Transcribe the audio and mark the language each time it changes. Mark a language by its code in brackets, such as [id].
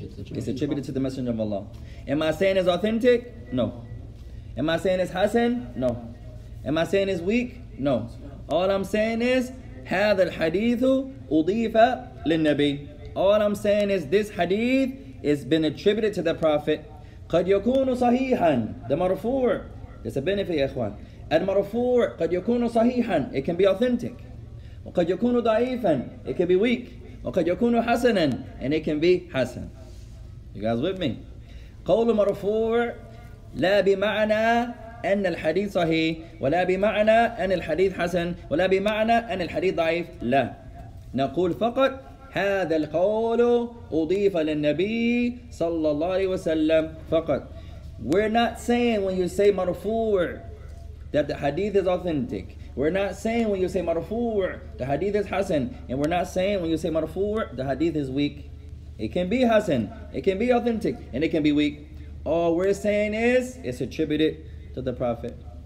[en] It's attributed to the Messenger of Allah. Am I saying it's authentic? No. Am I saying it's hasan? No. Am I saying it's weak? No. All I'm saying is, [ar] هذا الحديث أضيف للنبي. [en] All I'm saying is, this hadith has been attributed to the Prophet. [ar] قَدْ يَكُونُ صَحِيحًا [en] The marfu'. It's a benefit, ya ikhwan. Al-marfu' [ar] قَدْ يَكُونُ صَحِيحًا [en] It can be authentic. [ar] وَقَدْ يَكُونُ ضَعِيفًا [en] It can be weak. [ar] وَقَدْ يَكُونُ حَسَنًا [en] And it can be hasan. You guys with me? [ar] قَوْلُ marfu' لَا بِمَعْنَى أَنَّ الْحَدِيثُ صَحِيحٌ وَلَا بِمَعْنَى أَنَّ الْحَدِيثُ حَسَنٌ وَلَا بِمَعْنَى أَنَّ الْحَدِيثُ ضَعِيفٌ لَا نَقُولُ فَقَطْ هذا القول أضيف للنبي صلى الله عليه وسلم فقط. [en] We're not saying when you say marfu' that the hadith is authentic. We're not saying when you say marfu' the hadith is hasan. And we're not saying when you say marfu' the hadith is weak. It can be hasan. It can be authentic. And it can be weak. All we're saying is it's attributed to the Prophet.